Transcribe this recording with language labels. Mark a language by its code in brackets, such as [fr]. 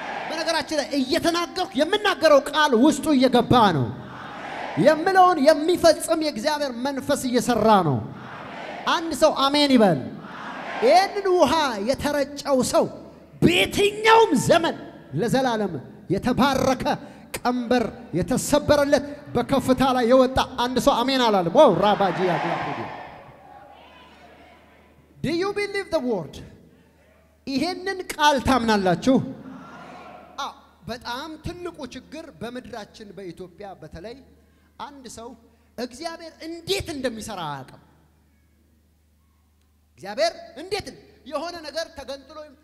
[am] በነገራችን ላይ እየተናገርኩ የምናገረው ቃል ውስጡ እየገባ ነው። የምለውን የሚፈጽም የእግዚአብሔር መንፈስ እየሰራ ነው። አንድ ሰው አሜን ይበል። ይህንን ውሃ የተረጨው ሰው በየትኛውም ዘመን ለዘላለም የተባረከ ቀንበር የተሰበረለት በከፍታ ላይ የወጣ። አንድ ሰው አሜን አላለም? ወው ራባጂ ያግላፈዲ [en] Do you believe the word? [am] ይሄንን ቃል ታምናላችሁ? አዎ። በጣም ትልቁ ችግር በመድራችን በኢትዮጵያ በተለይ አንድ ሰው እግዚአብሔር እንዴት እንደሚሰራ አያውቅም። እግዚአብሔር እንዴት የሆነ ነገር ተገንጥሎ